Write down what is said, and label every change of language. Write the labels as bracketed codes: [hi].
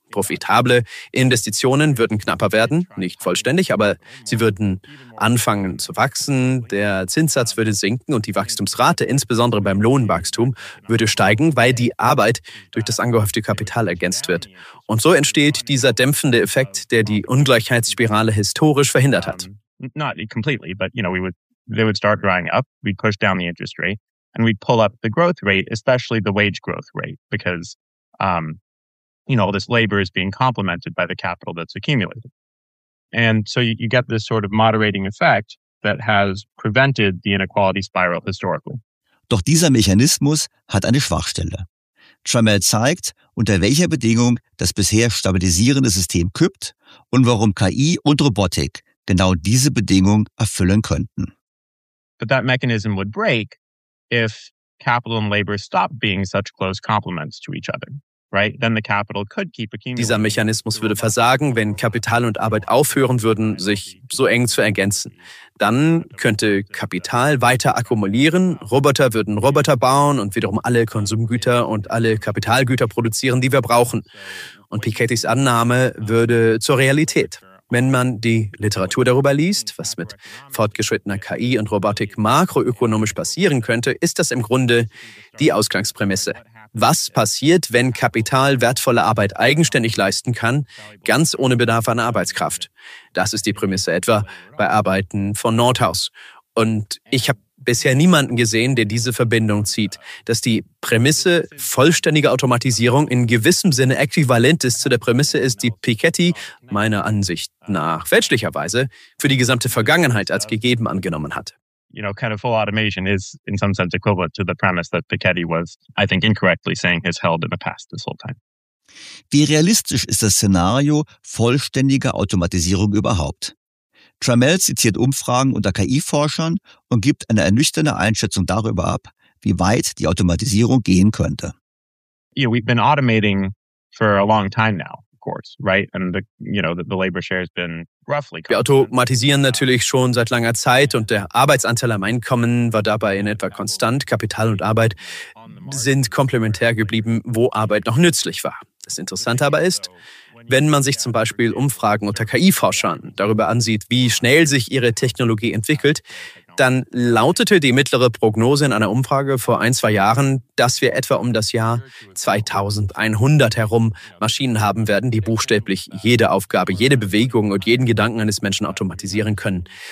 [de] Profitable Investitionen würden knapper werden, nicht vollständig, aber sie würden anfangen zu wachsen, der Zinssatz würde sinken und die Wachstumsrate, insbesondere beim Lohnwachstum, würde steigen, weil die Arbeit durch das angehäufte Kapital ergänzt wird. Und so entsteht dieser dämpfende Effekt, der die Ungleichheitsspirale historisch verhindert hat. [en] Not completely, but you know, they would start drying up, we'd push down the interest rate. And we pull up the growth rate, especially the wage growth rate, because, all this labor is being complemented by the capital that's accumulated. And so you get this sort of moderating effect that has prevented the inequality spiral historically. [de] Doch dieser Mechanismus hat eine Schwachstelle. Tramell zeigt, unter welcher Bedingung das bisher stabilisierende System kippt und warum KI und Robotik genau diese Bedingung erfüllen könnten. [en] But that mechanism would break if capital and labor stop being such close complements to each other, right? Then the capital could keep accumulating. [de] Dieser Mechanismus würde versagen, wenn Kapital und Arbeit aufhören würden, sich so eng zu ergänzen. Dann könnte Kapital weiter akkumulieren, Roboter würden Roboter bauen und wiederum alle Konsumgüter und alle Kapitalgüter produzieren, die wir brauchen. Und Pikettys Annahme würde zur Realität. Wenn man die Literatur darüber liest, was mit fortgeschrittener KI und Robotik makroökonomisch passieren könnte, ist das im Grunde die Ausgangsprämisse. Was passiert, wenn Kapital wertvolle Arbeit eigenständig leisten kann, ganz ohne Bedarf an Arbeitskraft? Das ist die Prämisse etwa bei Arbeiten von Nordhaus. Und ich habe bisher niemanden gesehen, der diese Verbindung zieht, dass die Prämisse vollständiger Automatisierung in gewissem Sinne äquivalent ist zu der Prämisse ist, die Piketty meiner Ansicht nach fälschlicherweise für die gesamte Vergangenheit als gegeben angenommen hat. [en] You know, kind of full automation is in some sense equivalent to the premise that Piketty was, I think, incorrectly saying has held in the past this whole time. [de] Wie realistisch ist das Szenario vollständiger Automatisierung überhaupt? Trammell zitiert Umfragen unter KI-Forschern und gibt eine ernüchternde Einschätzung darüber ab, wie weit die Automatisierung gehen könnte. [en] You know, we've been automating for a long time now. [de] Wir automatisieren natürlich schon seit langer Zeit und der Arbeitsanteil am Einkommen war dabei in etwa konstant. Kapital und Arbeit sind komplementär geblieben, wo Arbeit noch nützlich war. Das Interessante aber ist, wenn man sich zum Beispiel Umfragen unter KI-Forschern darüber ansieht, wie schnell sich ihre Technologie entwickelt, dann lautete die mittlere Prognose in einer Umfrage vor ein, zwei Jahren, dass wir etwa um das Jahr 2100 herum Maschinen haben werden, die buchstäblich jede Aufgabe, jede Bewegung und jeden Gedanken eines Menschen automatisieren können.